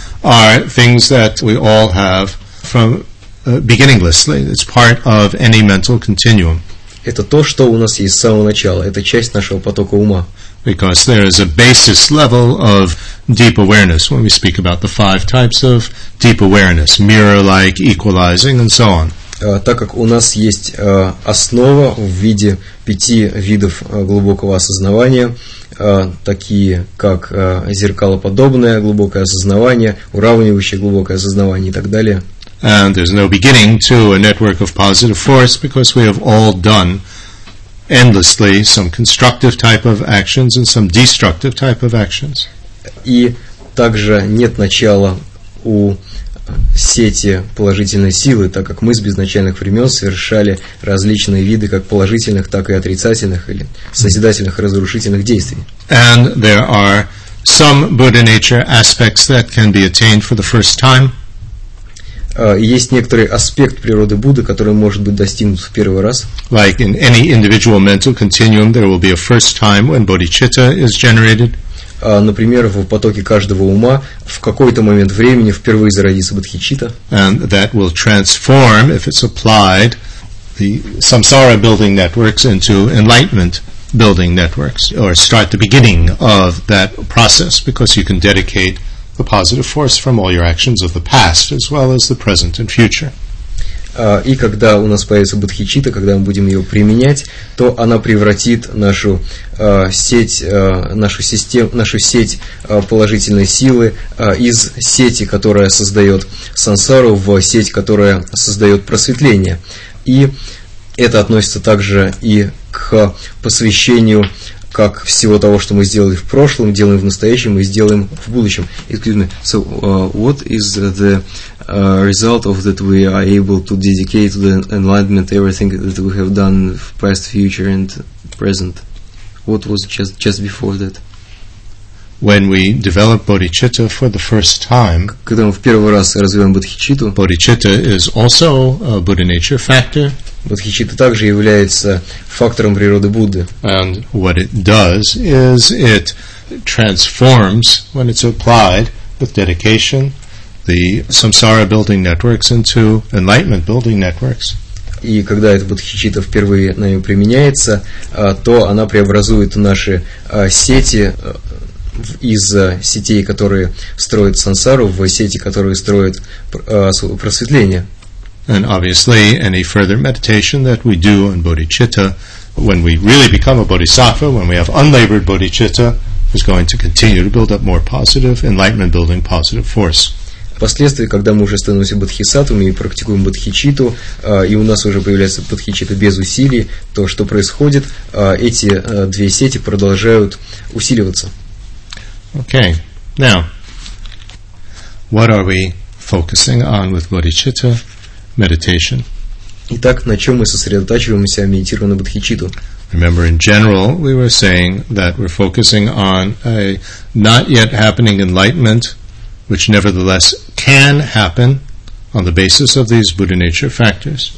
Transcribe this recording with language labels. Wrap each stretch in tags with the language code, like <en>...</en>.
<en>Are things that we all have from beginninglessly. It's part of any mental continuum.</en> <ru>Это то, что у нас есть с самого начала. Это часть нашего потока ума.</ru> <en>Because there is a basis level of deep awareness when we speak about the five types of deep awareness, mirror-like, equalizing, and so on.</en> <ru>Так как у нас есть основа в виде пяти видов глубокого осознавания, такие как зеркалоподобное глубокое осознавание, уравнивающее глубокое осознавание и так далее.</ru> <en>And there's no beginning to a network of positive force because we have all done endlessly some constructive type of actions and some destructive type of actions.</en> <ru>И также нет начала у сети положительной силы, так как мы с безначальных времен совершали различные виды как положительных, так и отрицательных или созидательных, разрушительных действий.</ru> <en>And there are some Buddha nature aspects that can be attained for the first time.</en> <ru>Есть некоторый аспект природы Будды, который может быть достигнут в первый раз.</ru> <en>Like in any individual mental continuum, there will be a first time when bodhicitta is generated.</en> <ru>Например, в потоке каждого ума в какой-то момент времени впервые зародится бодхичитта.</ru> <en>And that will transform, if it's applied, the samsara building networks into enlightenment building networks, or start the beginning of that process, because you can dedicate the positive force from all your actions of the past as well as the present and future.</en> <ru>И когда у нас появится бодхичитта, когда мы будем ее применять, то она превратит нашу сеть, нашу систему, нашу сеть положительной силы из сети, которая создает сансару, в сеть, которая создает просветление. И это относится также и к посвящению как всего того, что мы сделали в прошлом, делаем в настоящем и сделаем в будущем.</ru> <en>Excuse me. So, what is the result of that we are able to dedicate to the enlightenment everything that we have done in past, future and present? What was just before that? When we develop bodhicitta for the first time,</en> <ru>когда мы в первый раз развиваем бодхичитту,</ru> <en>bodhicitta is also a Buddha nature factor.</en> <ru>Бодхичитта также является фактором природы Будды.</ru> <en>And what it does is it transforms, when it's applied with dedication, the samsara building networks into enlightenment building networks.</en> <ru>И когда эта бодхичитта впервые нами применяется, то она преобразует наши сети из сетей, которые строят сансару, в сети, которые строят просветление.</ru> <en>And obviously, any further meditation that we do on bodhicitta, when we really become a bodhisattva, when we have unlabored bodhicitta, is going to continue to build up more positive enlightenment, building positive force.</en> <ru>Впоследствии, когда мы уже становимся бодхисаттвами и практикуем бодхичитту, и у нас уже появляется бодхичитта без усилий, то что происходит? Эти две сети продолжают усиливаться.</ru> <en>Okay. Now, what are we focusing on with bodhicitta meditation?</en> <ru>Итак, на чем мы сосредотачиваемся, медитируя на бодхичитту?</ru> <en>Remember, in general, we were saying that we're focusing on a not yet happening enlightenment, which nevertheless can happen on the basis of these Buddha nature factors.</en>